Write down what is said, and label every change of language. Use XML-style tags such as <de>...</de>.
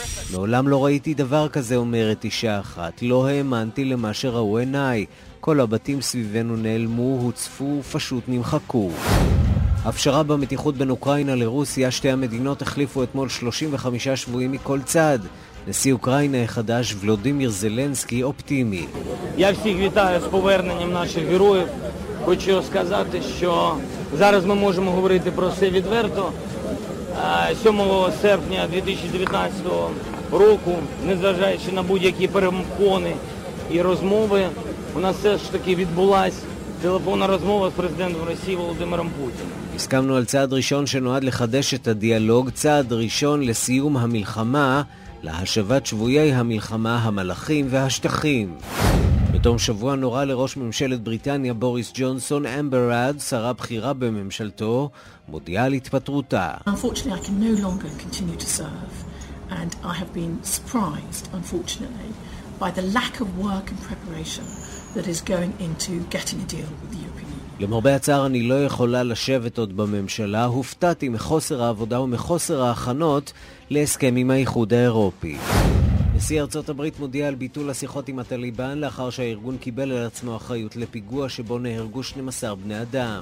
<he>מעולם לא ראיתי דבר כזה, אומרת אישה אחת. לא האמנתי למה שראו עיניי. כל הבתים סביבנו נעלמו, הוצפו ופשוט נמחקו. הפשרה במתיחות בין אוקראינה לרוסיה, שתי המדינות החליפו אתמול 35 שבועים מכל צד. נשיא אוקראינה החדש, ולודימיר זלנסקי, אופטימי.</he> <uk>Я всіх вітаю з поверненням наших героїв. Хочу сказати, що зараз ми можемо говорити про все відверто. 7 серпня 2019 року, незважаючи на будь-які перепони і розмови, у нас все ж таки відбулась телефонна розмова з президентом Росії Володимиром Путіним.</uk> <he>הסכמנו על צעד ראשון שנועד לחדש את הדיאלוג, צעד ראשון לסיום המלחמה, להשבת שבויי המלחמה, המלאכים והשטחים. בתום שבוע נורא לראש ממשלת בריטניה בוריס ג'ונסון, אמבר רד, שרה בכירה בממשלתו, מודיעה על התפטרותה.</he> <en>Unfortunately, I can no longer continue to serve, and I have been surprised, unfortunately, by the lack of work and preparation that is going into getting a deal with the European Union.</en> <he>למרבה הצער, אני לא יכולה לשבת עוד בממשלה. הופתעתי מחוסר העבודה ומחוסר ההכנות להסכם עם האיחוד האירופי. נשיא ארצות הברית מודיע על ביטול השיחות עם הטליבן לאחר שהארגון קיבל על עצמו אחריות לפיגוע שבו נהרגו 12 בני אדם.</he>